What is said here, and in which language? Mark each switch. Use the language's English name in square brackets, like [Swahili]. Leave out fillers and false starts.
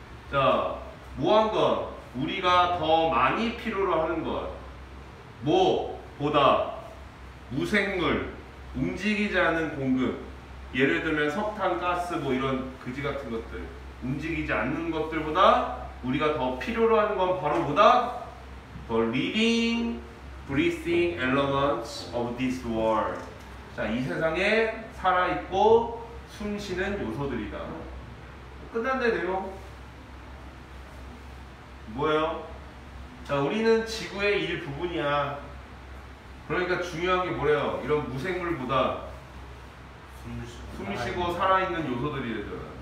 [Korean] 자, 뭐한 것? 우리가 더 많이 필요로 하는 것. 뭐 보다 무생물, 움직이지 않는 공급. 예를 들면 석탄, 가스 뭐 이런 그지 같은 것들 움직이지 않는 것들보다 우리가 더 필요로 하는 건 바로 뭐다? [English] The living, breathing elements of this world. [Korean] 자, 이 세상에 살아있고 숨쉬는 요소들이다. 끝난대 내용. 뭐예요? 자, 우리는 지구의 일 부분이야. 그러니까 중요한 게 뭐래요? 이런 무생물보다 숨 쉬고 살아있는 요소들이래잖아.